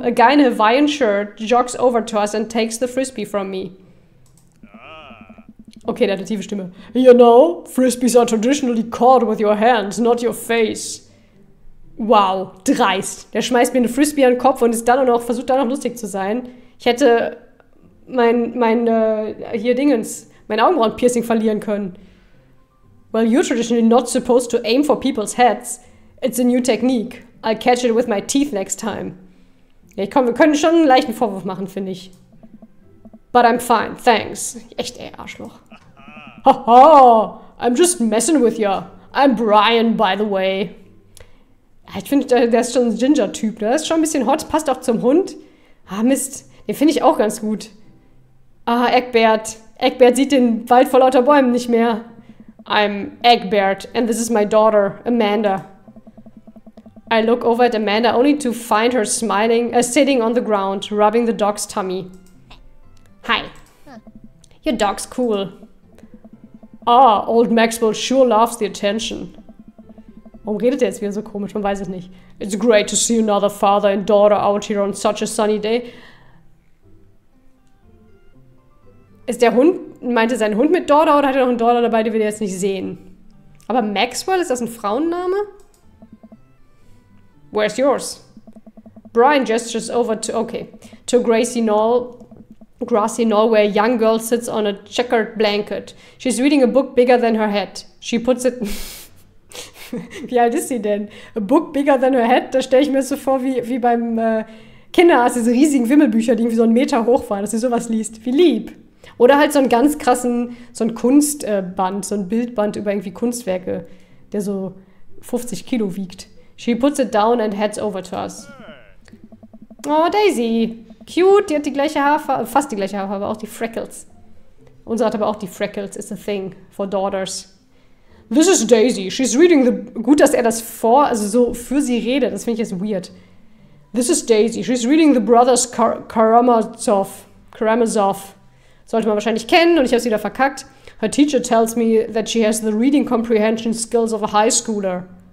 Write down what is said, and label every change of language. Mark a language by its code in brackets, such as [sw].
[en] A guy in a Hawaiian shirt jogs over to us and takes the frisbee from me. [de] Okay, der hat eine tiefe Stimme. [en] You know, frisbees are traditionally caught with your hands, not your face. [de] Wow, dreist. Der schmeißt mir eine Frisbee an den Kopf und ist dann noch, versucht dann noch lustig zu sein. Ich hätte mein Augenbrauenpiercing verlieren können. [en] Well, you're traditionally not supposed to aim for people's heads. It's a new technique. I'll catch it with my teeth next time. [de] Ja, komm, wir können schon einen leichten Vorwurf machen, finde ich. [en] But I'm fine, thanks. [de] Echt, ey, Arschloch. [en] Haha, I'm just messing with you. I'm Brian, by the way. [de] Ich finde, der ist schon ein Ginger-Typ. Der ist schon ein bisschen hot, passt auch zum Hund. Ah, Mist, den finde ich auch ganz gut. Ah, Eckbert. Eckbert sieht den Wald vor lauter Bäumen nicht mehr. [en] I'm Eggbert, and this is my daughter, Amanda. I look over at Amanda, only to find her smiling, sitting on the ground, rubbing the dog's tummy. Hi. Your dog's cool. Ah, old Maxwell sure loves the attention. [de] Warum redet er jetzt wieder so komisch? Man weiß es nicht. [en] It's great to see another father and daughter out here on such a sunny day. [de] Ist der Hund, meinte sein Hund mit Daughter oder hat er noch einen Daughter dabei, den wir jetzt nicht sehen? Aber Maxwell, ist das ein Frauenname? [en] Where's yours? Brian gestures over to, okay, to Gracie Knoll, Grassy Knoll, where a young girl sits on a checkered blanket. She's reading a book bigger than her head. She puts it, [de] Wie alt ist sie denn? [en] A book bigger than her head? [de] Da stelle ich mir so vor wie beim Kinderarzt, diese riesigen Wimmelbücher, die irgendwie so einen Meter hoch waren, dass sie sowas liest. Wie lieb. Oder halt so einen ganz krassen, so ein Kunstband, so ein Bildband über irgendwie Kunstwerke, der so 50 Kilo wiegt. [en] She puts it down and heads over to us. Oh, Daisy. [de] Cute, die hat die gleiche Haarfarbe, fast die gleiche Haarfarbe, aber auch die Freckles. Unsere hat aber auch die Freckles, [en] it's a thing for daughters. This is Daisy, she's reading the... [de] Gut, dass er das vor, also so für sie redet, das finde ich jetzt weird. [en] This is Daisy, she's reading the Brothers Karamazov. Karamazov. [de] Sollte man wahrscheinlich kennen und ich habe sie wieder verkackt. [en] Her teacher tells me that she has the reading comprehension skills of a high schooler.